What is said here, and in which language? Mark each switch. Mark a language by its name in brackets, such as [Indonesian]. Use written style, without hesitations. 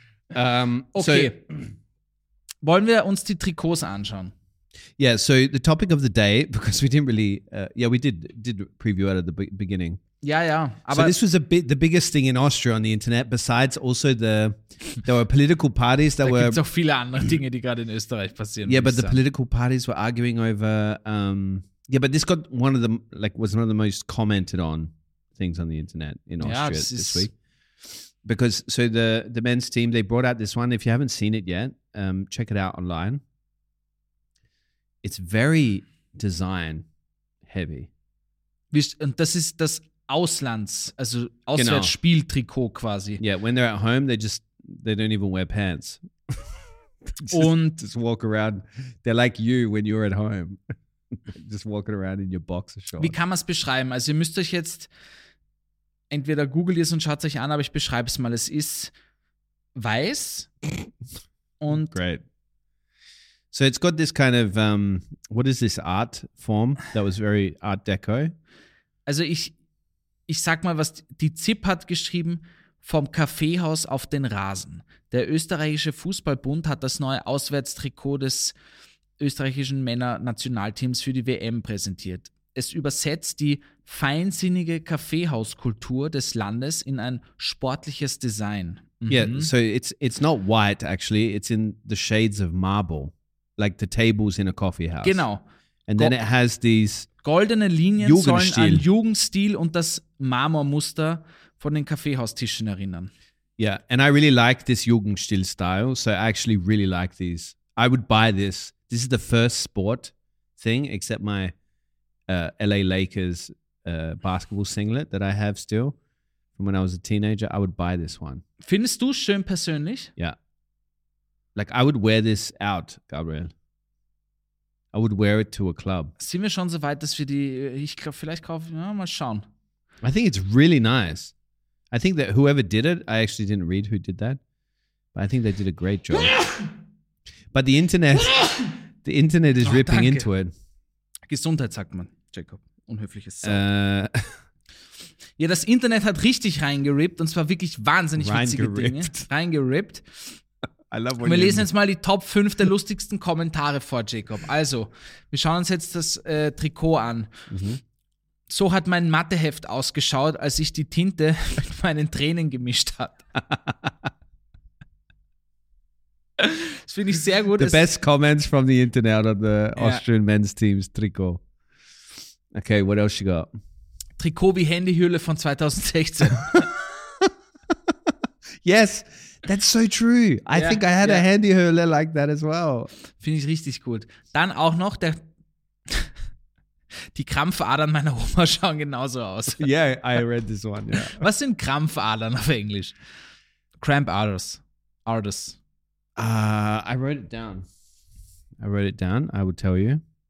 [German] Okay. So, wollen wir uns die Trikots anschauen? [English] Yeah, so the topic of the day, because we didn't really, yeah, we did preview it at the beginning. Yeah, yeah. [German] Aber [English] so this was the biggest thing in Austria on the internet, besides also there were political parties that [German] da [English] were... [German] Da gibt's auch viele andere Dinge, die gerade in Österreich passieren. [English] Yeah, but the political parties were arguing over, yeah, but this got one of the, like, was one of the most commented on things on the internet in Austria this week. Because so the men's team, they brought out this one. If you haven't seen it yet, check it out online. It's very design heavy. And [German] das ist das Auslands, also Auswärtsspieltrikot quasi. [English] Yeah, when they're at home, they don't even wear pants. just walk around. They're like you when you're at home. Just walking around in your boxer shorts. [German] Wie kann man es beschreiben? Also ihr müsst euch jetzt... Entweder googelt ihr es und schaut es euch an, aber ich beschreibe es mal. Es ist weiß und... [English] Great. So it's got this kind of, what is this art form that was very art deco? [German] Also ich sag mal, was die ZIP hat geschrieben, vom Kaffeehaus auf den Rasen. Der österreichische Fußballbund hat das neue Auswärtstrikot des österreichischen Männer-Nationalteams für die WM präsentiert. Es übersetzt die feinsinnige Kaffeehauskultur des Landes in ein sportliches Design. Mhm. [English] Yeah, so it's not white actually, it's in the shades of marble, like the tables in a coffee house. [German] Genau. [English] And then it has these [German] goldene Linien sollen an Jugendstil und das Marmormuster von den Kaffeehaustischen erinnern. [English] Yeah, and I really like this Jugendstil style, so I actually really like these. I would buy this. This is the first sport thing except my LA Lakers basketball singlet that I have still from when I was a teenager, I would buy this one. [German] Findest du es schön persönlich? [English] Yeah. Like I would wear this out, Gabriel. I would wear it to a club. [German] Sind wir schon so weit, dass wir die, ich glaube, vielleicht kaufen, ja, mal schauen. [English] I think it's really nice. I think that whoever did it, I actually didn't read who did that, but I think they did a great job. But the internet is ripping into it. [German] Gesundheit, sagt man, Jacob. Unhöfliches Ja, das Internet hat richtig reingerippt und zwar wirklich wahnsinnig witzige Dinge. Reingerippt. [English] I love when [German] wir lesen jetzt mal die Top 5 der lustigsten Kommentare vor, Jacob. Also, wir schauen uns jetzt das Trikot an. Mhm. So hat mein Matheheft ausgeschaut, als ich die Tinte mit meinen Tränen gemischt hat. Das finde ich sehr gut. [English] The best comments from the internet on the Austrian men's team's Trikot. Okay, what else you got? [German] Trikot wie Handyhülle von 2016. [English] Yes, that's so true. I think I had a Handyhülle like that as well. [German] Finde ich richtig gut. Dann auch noch, die Krampfadern meiner Oma schauen genauso aus. [English] Yeah, I read this one. Yeah. [German] Was sind Krampfadern auf Englisch? [English] Cramp Adders. Adders. I wrote it down. I wrote it down. I will tell you.